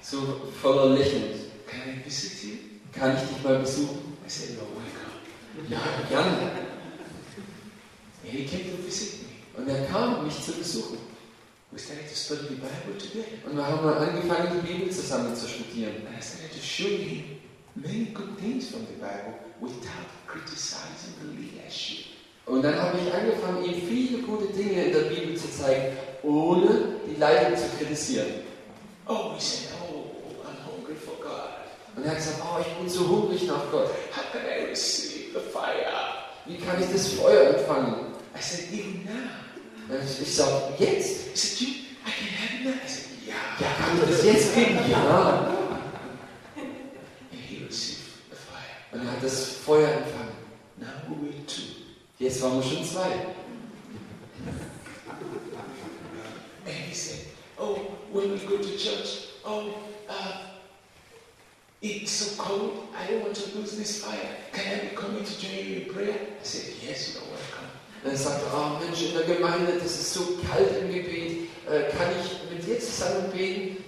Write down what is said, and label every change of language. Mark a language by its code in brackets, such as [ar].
[de] So voller Lächeln. [en] Can I visit you? [de] Kann ich dich mal besuchen? [en] I said, you're welcome. [de] Ja, gerne. [en] And he came to visit me. [de] Und er kam, mich zu besuchen. [en] We started to study the Bible together. [de] Und wir haben angefangen, die Bibel zusammen zu studieren. [en] And I started to show him many good things from the Bible without criticizing the leadership. [de] Und dann habe ich angefangen, ihm viele gute Dinge in der Bibel zu zeigen, ohne die Leitung zu kritisieren. [en] Oh, he said, oh, I'm hungry for God. [de] Und er hat gesagt, oh, ich bin so hungrig nach Gott. [en] How can I receive the fire? [de] Wie kann ich das Feuer empfangen? [en] I said, even now. [de] Ich sage, jetzt? [en] He said, you, I can have it now. I said, yeah. [de] Ja, kann ich das jetzt geben? Ja. [en] And he received the fire. [de] Und er hat das Feuer empfangen. [en] Now we will two. [de] Jetzt waren wir schon zwei. [en] And he said, oh, when we go to church, oh, it's so cold, I don't want to lose this fire. Can I be coming to join you in prayer? I said, yes, you're welcome. [de] Er sagt, oh Mensch, in der Gemeinde, das ist so kalt im Gebet, kann ich mit dir zusammen beten?